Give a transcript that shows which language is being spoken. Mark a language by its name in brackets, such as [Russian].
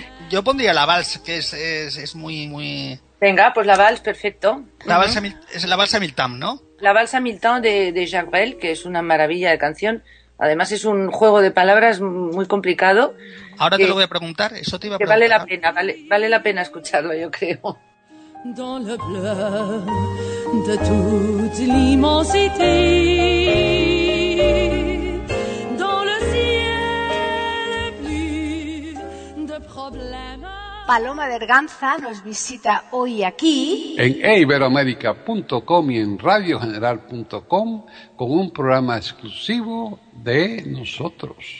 [Spanish] Yo pondría la vals, que es muy, muy... Venga, pues la vals, perfecto. Es la vals à mille temps, ¿no? La vals à mille temps de Jacques Brel, que es una maravilla de canción. Además es un juego de palabras muy complicado. Ahora te lo voy a preguntar, eso te iba a preguntar. Vale la pena, vale la pena escucharlo, yo creo. [French] Dans le bleu de toute l'immensité, dans le ciel plus de problèmes. [Spanish] Paloma Berganza nos visita hoy aquí en iberoamérica.com y en radiogeneral.com con un programa exclusivo de nosotros.